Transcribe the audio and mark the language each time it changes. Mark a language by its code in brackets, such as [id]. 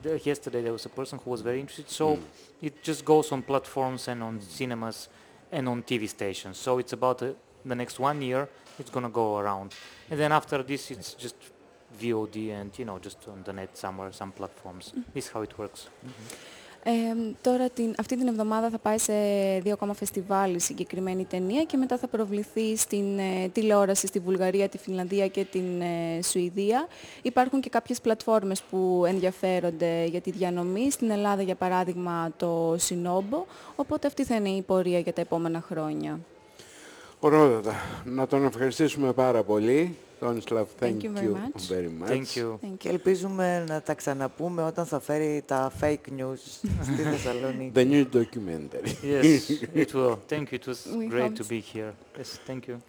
[en] Yesterday there was a person who was very interested. So it just goes on platforms and on cinemas and on TV stations. So it's about the next 1 year, it's going to go around. And then after this, it's just VOD and, you know, just on the net somewhere, some platforms. This is how it works. [el] Τώρα αυτή την εβδομάδα θα πάει σε δύο ακόμα φεστιβάλ η συγκεκριμένη ταινία και μετά θα προβληθεί στην τηλεόραση στη Βουλγαρία, τη Φινλανδία και την Σουηδία. Υπάρχουν και κάποιες πλατφόρμες που ενδιαφέρονται για τη διανομή. Στην Ελλάδα, για παράδειγμα, το Σινόμπο. Οπότε αυτή θα είναι η πορεία για τα επόμενα χρόνια. Ωραία. Να τον ευχαριστήσουμε πάρα πολύ. Τόνισλαβ, [en] thank you very much. [el] Και ελπίζουμε να τα ξαναπούμε όταν θα φέρει τα fake news στη Θεσσαλονίκη. [en] The new documentary. Yes, it will. Thank you. It was great to be here. Yes, thank you.